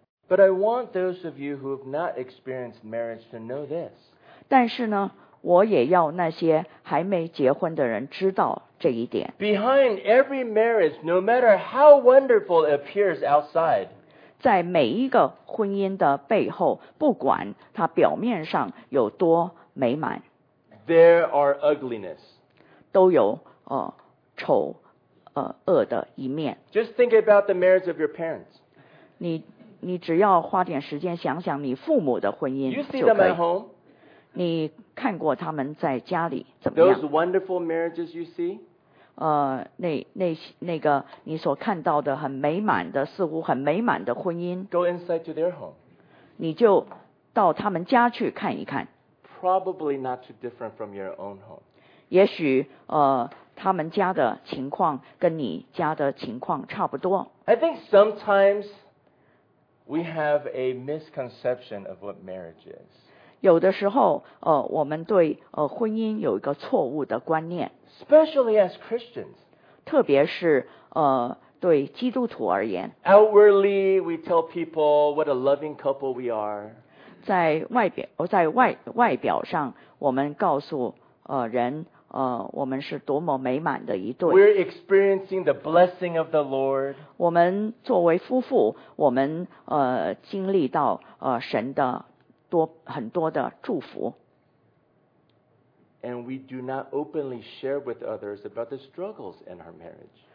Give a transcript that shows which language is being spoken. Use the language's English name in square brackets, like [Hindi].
[English] But I want those of you who have not experienced marriage to know this. [Chinese] 但是呢，我也要那些还没结婚的人知道这一点。 [English] Behind every marriage, no matter how wonderful it appears outside, [Chinese] 在每一个婚姻的背后，不管它表面上有多美满， [English] there are ugliness, [Chinese] 都有丑恶的一面。 [English] Just think about the marriage of your parents. [Chinese] 你只要花点时间想想你父母的婚姻就可以。 [English] You see them at home. [Chinese] 你看过他们在家里怎么样？ [English] Those wonderful marriages you see? [Chinese] 那个你所看到的很美满的，似乎很美满的婚姻。 [English] Go inside to their home. [Chinese] 你就到他们家去看一看。 [English] Probably not too different from your own home. [Chinese] 也许他们家的情况跟你家的情况差不多。 [English] I think sometimes we have a misconception of what marriage is. [Chinese] 有的时候我们对婚姻有一个错误的观念。 [English] Especially as Christians. [Chinese] 特别是对基督徒而言。 [English] Outwardly, we tell people what a loving couple we are. [Chinese] 在外表上我们告诉人我们是多么美满的一对。 [English] We're experiencing the blessing of the Lord. [Chinese] 我们作为夫妇，我们经历到神的多很多的祝福。 [English] And we do not openly share with others about the struggles in our marriage.